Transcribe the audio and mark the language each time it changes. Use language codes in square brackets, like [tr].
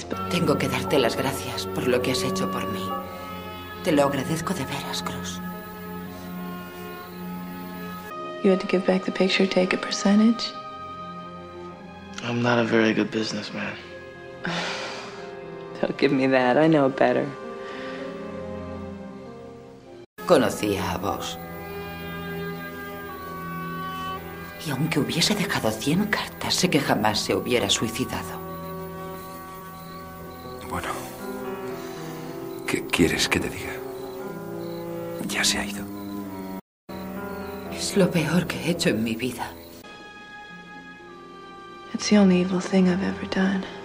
[es] Tengo que darte las gracias por lo que has hecho por mí. Te lo agradezco de veras, Cruz. [en] You had to give back the picture, take a percentage. I'm not a very good businessman. Don't give me that. I know better. [es] Conocía a vos. Y aunque hubiese dejado 100 cartas, sé que jamás se hubiera suicidado. Bueno, ¿qué quieres que te diga? Ya se ha ido. Es lo peor que he hecho en mi vida. [en] It's the only evil thing I've ever done.